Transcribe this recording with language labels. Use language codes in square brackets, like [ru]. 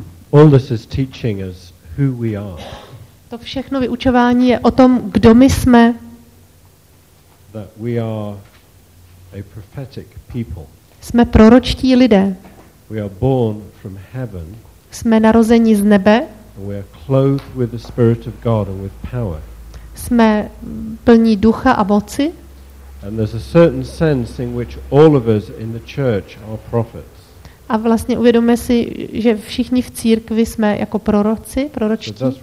[en] All this is teaching us who we are. [cs] To všechno vyučování je o tom, kdo my jsme. [en] That we are a prophetic people. [cs] Jsme proročtí lidé. [en] We are born from heaven. [cs] Jsme narozeni z nebe. [en] We are clothed with the Spirit of God and with power. [cs] Jsme plní ducha a moci. [en] And there's a certain sense in which all of us in the church are prophets. [cs] A vlastně uvědomíme si, že všichni v církvi jsme jako proroci, proročtí.